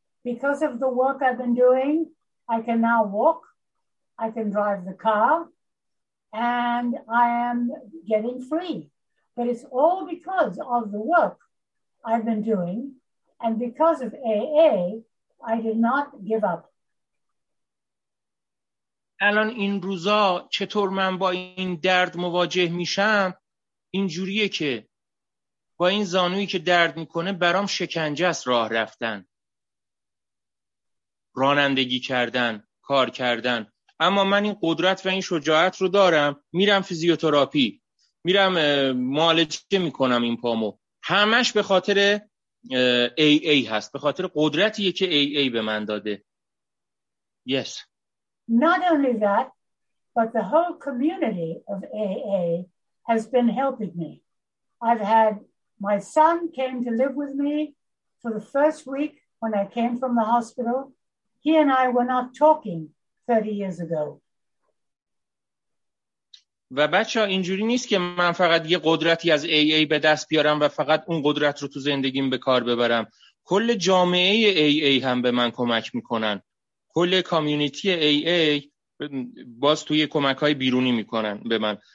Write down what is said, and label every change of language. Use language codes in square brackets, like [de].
[en] Because of the work I've been doing, I can now walk. I can drive the car, and I am getting free. But it's all because of the work I've been doing, and because of AA, I did not give up. [fa] الان این روزا چطور من با این درد مواجه میشم؟ این جوریه که با این زانویی که درد میکنه برام شکنجه است راه رفتن. رانندگی کردن، کار کردن. اما من این قدرت و این شجاعت رو دارم، میرم فیزیوتراپی، میرم معالجه میکنم این پامو. همش به خاطر AA هست، به خاطر قدرتیه که AA به من داده. [en] Yes. Not only that, but the whole community of AA has been helping me. I've had my son came to live with me for the first week when I came from the hospital. He and I were not talking 30 years ago. [fa] و بچه ها اینجوری نیست که من فقط یه قدرتی از AA به دست بیارم و فقط اون قدرت رو تو زندگیم به کار ببرم. کل جامعه AA هم به من کمک میکنن. کل کامیونیتی AA باز توی کمک های بیرونی میکنن به من.